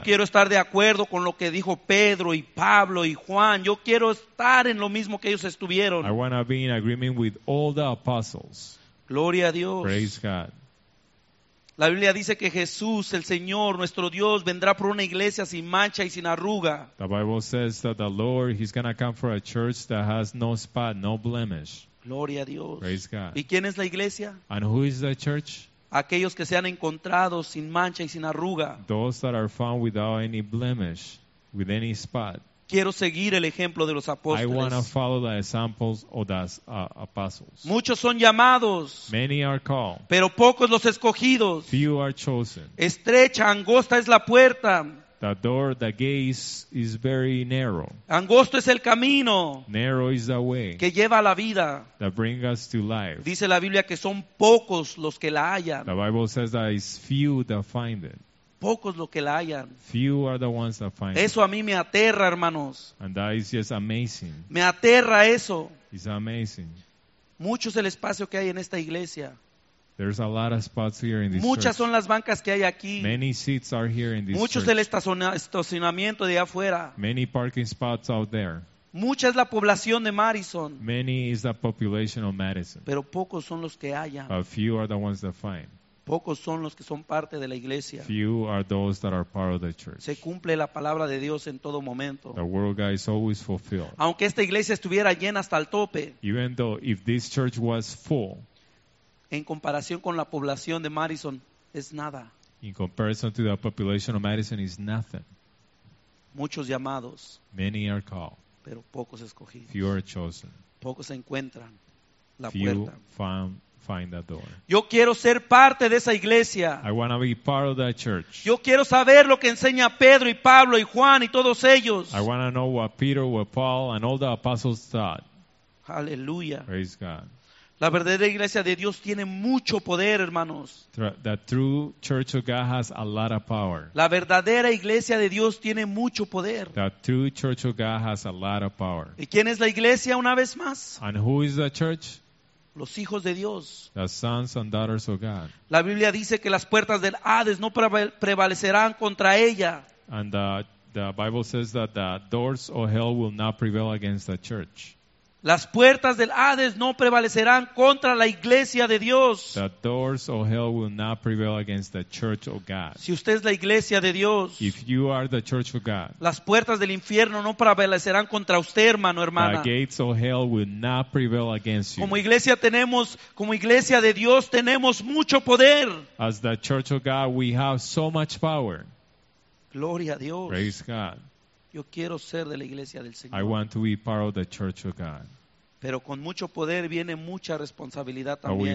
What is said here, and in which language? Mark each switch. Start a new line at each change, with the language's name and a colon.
Spanish: Yo quiero estar de acuerdo con lo que dijo Pedro y Pablo y Juan. Yo quiero estar en lo mismo que ellos estuvieron.
English: I want to be in agreement with all the apostles.
Spanish: Gloria a Dios.
English: Praise God.
Spanish: La Biblia dice que Jesús, el Señor, nuestro Dios, vendrá por una iglesia sin mancha y sin arruga.
English: The Bible says that the Lord, he's going to come for a church that has no spot, no blemish.
Spanish: Gloria a Dios.
English: Praise God.
Spanish: ¿Y quién es la iglesia?
English: And who is the church?
Spanish: Aquellos que se han encontrado sin mancha y sin arruga.
English: Those that are found without any blemish, with any spot.
Spanish: Quiero seguir el ejemplo de los apóstoles.
English: I want to follow the examples of the apostles.
Spanish: Muchos son llamados.
English: Many are called.
Spanish: Pero pocos los escogidos.
English: Few are chosen.
Spanish: Estrecha, angosta es la puerta.
English: The door, the gate is very narrow.
Spanish: Angosto es el camino.
English: Narrow is the way.
Spanish: Que lleva a la vida.
English: That brings us to life.
Spanish: Dice la Biblia que son pocos los que la hallan.
English: The Bible says that it's few that find it.
Spanish: Pocos los que la hallan.
English: Few are the ones that find
Spanish: eso a mí me aterra, hermanos.
English: And that is just amazing.
Spanish: Me aterra eso.
English: It's amazing.
Spanish: Mucho es el espacio que hay en esta iglesia.
English: There's a lot of spots here in this
Spanish: Muchas Son las bancas que hay aquí.
English: Many seats are here in this
Spanish: Mucho
English: church.
Spanish: Es el estacionamiento de afuera.
English: Many parking spots out there.
Spanish: Mucha es la población de Madison.
English: Many is the population of Madison.
Spanish: Pero pocos son los que hallan.
English: But few are the ones that find.
Spanish: Pocos son los que son parte de la iglesia.
English: Few are those that are part of the church.
Spanish: Se cumple la palabra de Dios en todo momento.
English: The word of God is always fulfilled.
Spanish: Aunque esta iglesia estuviera llena hasta el tope.
English: Even though if this church was full.
Spanish: En comparación con la población de Madison, es nada.
English: In comparison to the population of Madison, is nothing.
Spanish: Muchos llamados.
English: Many are called.
Spanish: Pero pocos escogidos.
English: Few are chosen.
Spanish: Pocos encuentran la
English: few
Spanish: puerta.
English: Find that door.
Spanish: Yo quiero ser parte de esa iglesia.
English: I want to be part of that church.
Spanish: Yo quiero saber lo que enseña Pedro y Pablo y Juan y todos ellos.
English: I want to know what Peter, what Paul and all the apostles taught. Hallelujah. Praise God.
Spanish: La verdadera iglesia de Dios tiene mucho poder, hermanos.
English: The true church of God has a lot of power.
Spanish: La verdadera iglesia de Dios tiene mucho poder.
English: The true church of God has a lot of power.
Spanish: ¿Y quién es la iglesia una vez más?
English: And who is the church?
Spanish: Los hijos de Dios.
English: The sons and daughters of God.
Spanish: La Biblia dice que las puertas del Hades no prevalecerán contra ella.
English: And the Bible says that the doors of hell will not prevail against the church.
Spanish: Las puertas del Hades no prevalecerán contra la iglesia de Dios.
English: The doors of hell will not prevail against the church of God.
Spanish: Si usted es la iglesia de Dios.
English: If you are the church of God.
Spanish: Las puertas del infierno no prevalecerán contra usted, hermano, hermana.
English: The gates of hell will not prevail against you.
Spanish: Como iglesia de Dios tenemos mucho poder.
English: As the church of God, we have so much power.
Spanish: Gloria a Dios.
English: Praise God.
Spanish: Yo quiero ser de la iglesia del Señor.
English: I want to be part of the church of God.
Spanish: Pero con mucho poder viene mucha responsabilidad también.